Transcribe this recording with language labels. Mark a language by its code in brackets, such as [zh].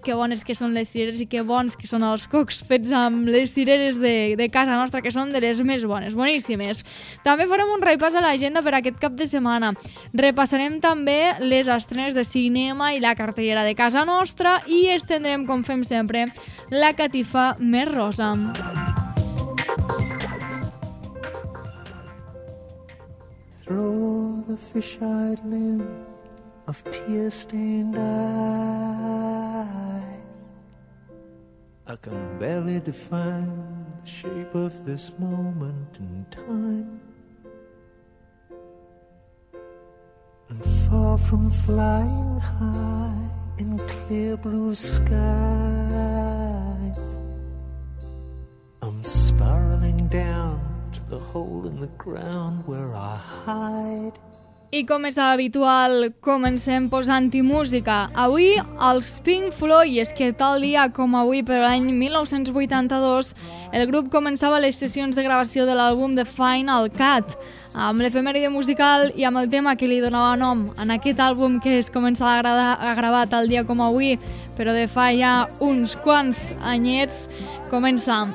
[ca] Que bones que són les cireres i que bons que són els cocs fets amb les cireres de casa nostra, que són de les més bones, boníssimes. També farem un repàs a l'agenda per aquest cap de setmana. Repassarem també les estrenes de cinema i la cartellera de casa nostra i estendrem, com fem sempre, la catifa més rosa. [en] Through the fish-eyed lens of tear-stained eyes I can barely define the shape of this moment in time. And far from flying high in clear blue skies, I'm spiraling down. the hole in the ground where I hide. [ca] I com és habitual, comencem posant-hi música. Avui, els Pink Floyd, i és que tal dia com avui, per l'any 1982, el grup començava les sessions de gravació de l'àlbum The Final Cut, amb l'efemèride musical i amb el tema que li donava nom en aquest àlbum que es començava a gravar tal dia com avui, però de fa ja uns quants anyets, comença.